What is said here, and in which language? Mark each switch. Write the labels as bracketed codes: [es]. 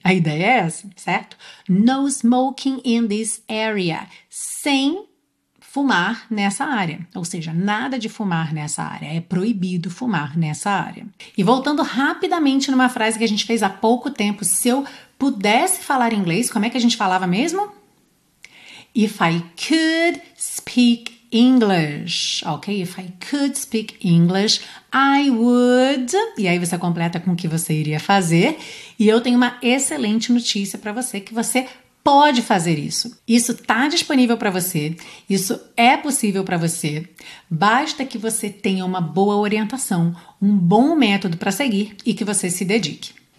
[pt] A ideia é essa, certo? [en] No smoking in this area, [pt] sem fumar nessa área, ou seja, nada de fumar nessa área, é proibido fumar nessa área. E voltando rapidamente numa frase que a gente fez há pouco tempo, se eu pudesse falar inglês, como é que a gente falava mesmo? [en] If I could speak English, ok? If I could speak English, I would... [pt] E aí você completa com o que você iria fazer. E eu tenho uma excelente notícia para você, que você pode fazer isso. Isso está disponível para você, isso é possível para você. Basta que você tenha uma boa orientação, um bom método para seguir e que você se dedique.